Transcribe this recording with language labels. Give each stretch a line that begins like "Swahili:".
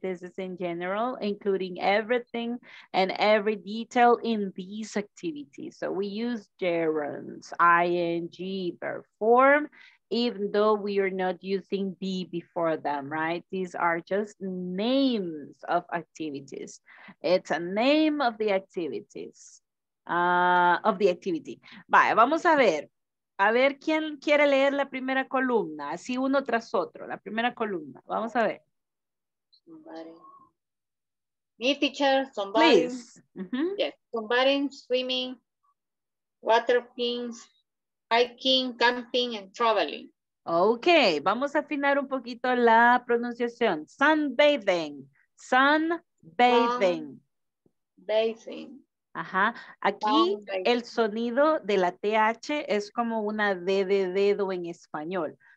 English: This is in general, including everything and every detail in these activities. So we use gerunds, ing, verb form, even though we are not using be before them, right? These are just names of activities. It's a name of the activities, of the activity.
Spanish: Vaya, vamos a ver. A ver quién quiere leer la primera columna, así uno tras otro, la primera columna. Vamos a ver.
English: Somebody. Me, teacher, somebody. Please. Yes. Somebody swimming, water pins, hiking, camping, and traveling.
Spanish: Okay, vamos a afinar un poquito la pronunciación.
English: Sunbathing. Sunbathing. Bathing. Ajá.
Spanish: Aquí el sonido de la TH es como una D de dedo en español.